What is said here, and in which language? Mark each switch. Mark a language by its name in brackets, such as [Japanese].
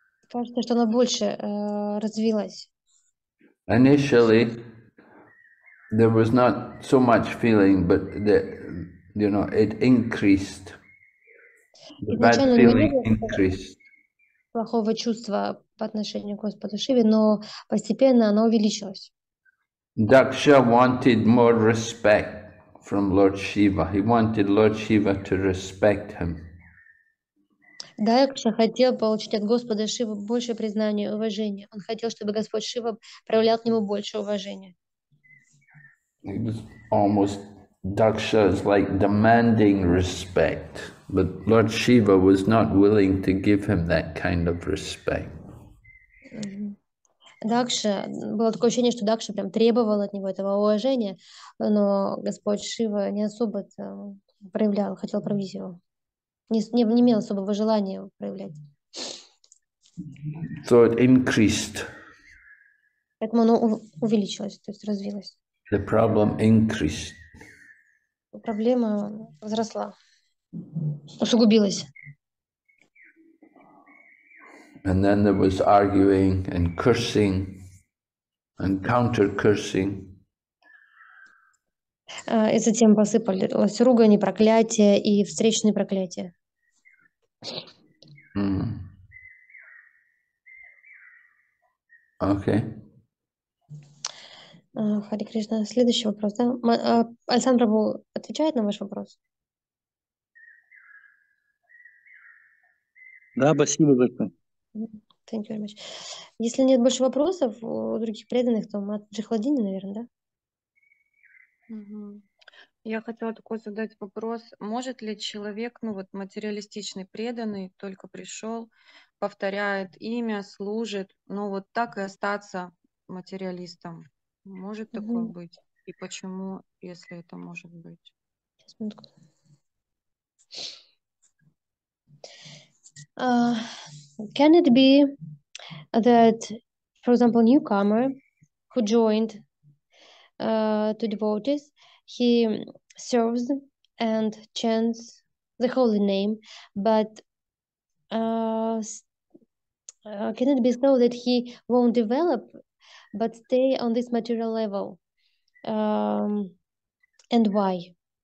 [Russian] Кажется, что она больше развилась. [English] Initially, there was not so much feeling, but you know, it increased. The bad feeling increased. [Russian] Плохого чувства по отношению к Господу Шиве, но постепенно оно увеличилось. [English] Daksha wanted more respect from Lord Shiva. He wanted Lord Shiva to respect him. [Russian] Дакша хотел получить от Господа Шивы больше признания и уважения. Он хотел, чтобы Господь Шива проявлял к нему больше уважения. It was almost Daksha is like demanding respect, but Lord Shiva was not willing to give him that kind of respect. Дакша, было такое ощущение, что Дакша прям требовал от него этого уважения, но Господь Шива не особо проявлял, хотел проявить его. Не имел особого желания его проявлять. [English] So it increased. [Russian] Поэтому оно увеличилось, то есть развилось. [English] The problem increased. [Russian] Проблема возросла, усугубилась. [English] And then there was arguing and cursing and counter-cursing. [Russian] И затем посыпались ругань, проклятия и встречные проклятия. [English] Okay. [Russian] Хари Кришна, следующий вопрос, да? Александр Прабу отвечает на ваш вопрос? Да, спасибо большое. [English] Thank you very much. [Russian] Если нет больше вопросов у других преданных, то от Джихладини, наверное, да? Я хотела такой задать вопрос. Может ли человек, ну вот материалистичный преданный, только пришел, повторяет имя, служит, ну вот так и остаться материалистом? Может такое быть? И почему, если это может быть? Сейчас, минутку. [English] Can it be that, for example, newcomer who joined to devotees, he serves and chants the holy name, but can it be so that he won't develop but stay on this material level? And why?